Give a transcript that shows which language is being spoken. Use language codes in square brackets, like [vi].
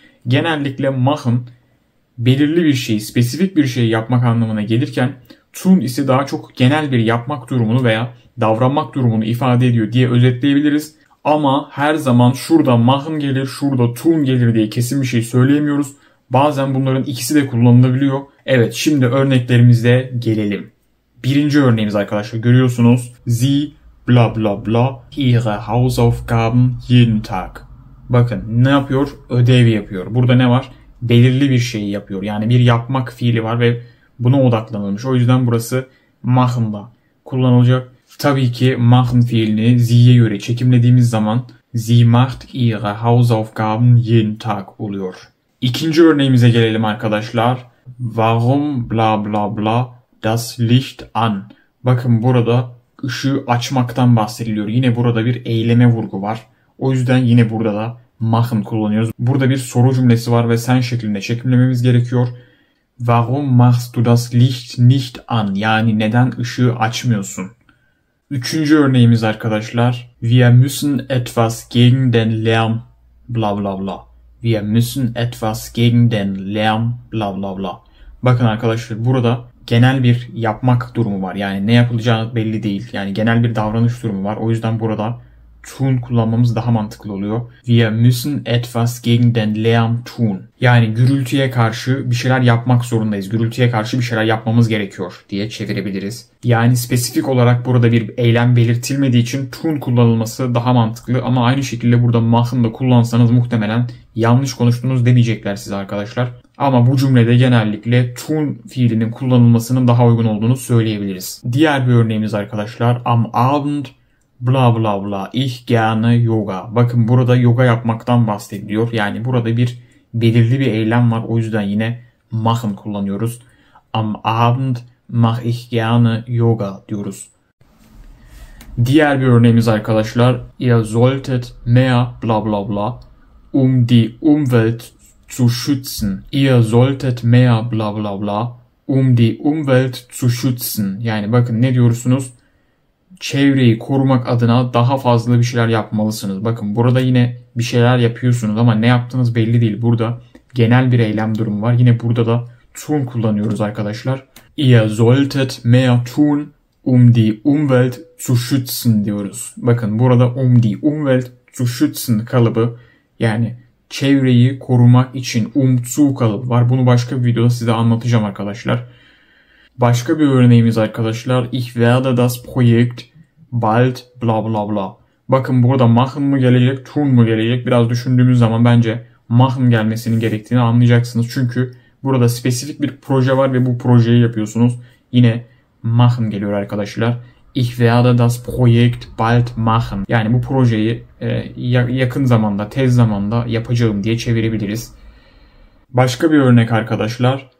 [tr] Genellikle machen belirli bir şey, spesifik bir şey yapmak anlamına gelirken tun ise daha çok genel bir yapmak durumunu veya davranmak durumunu ifade ediyor diye özetleyebiliriz. Ama her zaman şurada machen gelir, şurada tun gelir diye kesin bir şey söyleyemiyoruz. Bazen bunların ikisi de kullanılabiliyor. Evet, şimdi örneklerimize gelelim. Birinci örneğimiz arkadaşlar görüyorsunuz. [de] Sie bla bla bla ihre Hausaufgaben jeden Tag. [tr] Bakın ne yapıyor? Ödev yapıyor. Burada ne var? Belirli bir şeyi yapıyor. Yani bir yapmak fiili var ve buna odaklanılmış. O yüzden burası machen'da kullanılacak. Tabii ki machen fiilini sie'ye göre çekimlediğimiz zaman [de] sie macht ihre Hausaufgaben jeden Tag [tr] oluyor. İkinci örneğimize gelelim arkadaşlar. [de] Warum bla bla bla das Licht an? [tr] Bakın burada ışığı açmaktan bahsediliyor. Yine burada bir eyleme vurgu var. O yüzden yine burada da machen kullanıyoruz. Burada bir soru cümlesi var ve sen şeklinde çekimlememiz gerekiyor. [de] Warum machst du das Licht nicht an? [tr] Yani neden ışığı açmıyorsun? Üçüncü örneğimiz arkadaşlar. [de] Wir müssen etwas gegen den Lärm bla bla bla. Wir müssen etwas gegen den Lärm bla bla bla. [tr] Bakın arkadaşlar burada genel bir yapmak durumu var. Yani ne yapılacağı belli değil. Yani genel bir davranış durumu var. O yüzden burada tun kullanmamız daha mantıklı oluyor. [de] Wir müssen etwas gegen den Lärm tun. [tr] Yani gürültüye karşı bir şeyler yapmak zorundayız. Gürültüye karşı bir şeyler yapmamız gerekiyor diye çevirebiliriz. Yani spesifik olarak burada bir eylem belirtilmediği için tun kullanılması daha mantıklı. Ama aynı şekilde burada machen da kullansanız muhtemelen yanlış konuştunuz demeyecekler size arkadaşlar. Ama bu cümlede genellikle tun fiilinin kullanılmasının daha uygun olduğunu söyleyebiliriz. Diğer bir örneğimiz arkadaşlar. [de] Am Abend bla bla bla ich gerne yoga. [tr] Bakın burada yoga yapmaktan bahsediliyor. Yani burada bir belirli bir eylem var. O yüzden yine machen kullanıyoruz. [de] Am Abend mach ich gerne yoga [tr] diyoruz. Diğer bir örneğimiz arkadaşlar. [de] Ihr solltet mehr bla bla bla um die Umwelt zu schützen. Ihr solltet mehr bla bla bla um die Umwelt zu schützen. [tr] Yani bakın ne diyorsunuz? Çevreyi korumak adına daha fazla bir şeyler yapmalısınız. Bakın burada yine bir şeyler yapıyorsunuz ama ne yaptığınız belli değil. Burada genel bir eylem durumu var. Yine burada da tun kullanıyoruz arkadaşlar. [de] Ihr solltet mehr tun um die Umwelt zu schützen [tr] diyoruz. Bakın burada [de] um die Umwelt zu schützen [tr] kalıbı yani çevreyi korumak için zu kalıbı var. Bunu başka bir videoda size anlatacağım arkadaşlar. Başka bir örneğimiz arkadaşlar. [de] Ich werde das Projekt bald bla bla bla. [tr] Bakın burada machen mı gelecek, tun mu gelecek? Biraz düşündüğümüz zaman bence machen gelmesinin gerektiğini anlayacaksınız. Çünkü burada spesifik bir proje var ve bu projeyi yapıyorsunuz. Yine machen geliyor arkadaşlar. [de] Ich werde das Projekt bald machen. [tr] Yani bu projeyi yakın zamanda, tez zamanda yapacağım diye çevirebiliriz. Başka bir örnek arkadaşlar.